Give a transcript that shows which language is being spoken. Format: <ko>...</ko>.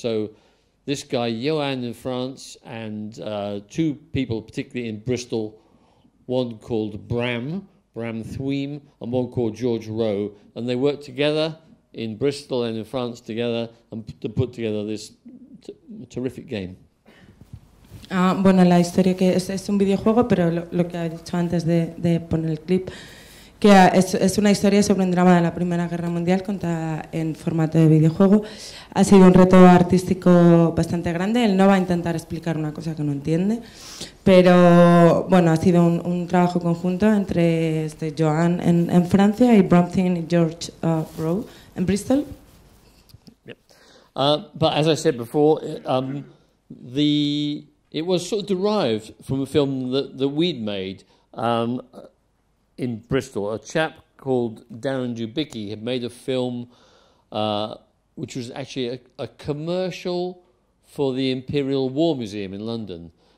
<en>So this guy, Johan in France, and two people, particularly in Bristol, one called Bram Thweem, and one called George Rowe, and they worked together in Bristol and in France together and to put together this terrific game.</en> <es>Bueno, la historia que es un videojuego, pero lo que ha dicho antes de poner el clip, que es una historia sobre un drama de la Primera Guerra Mundial contada en formato de videojuego. Ha sido un reto artístico bastante grande. Él no va a intentar explicar una cosa que no entiende, pero bueno, ha sido un trabajo conjunto entre Joan en Francia y Brompton y George Rowe en Bristol.</es> <en>But as I said before, it was sort of derived from a film that we'd made in Bristol. A chap called Darren Dubicki had made a film which was actually a commercial for the Imperial War Museum in London.</en>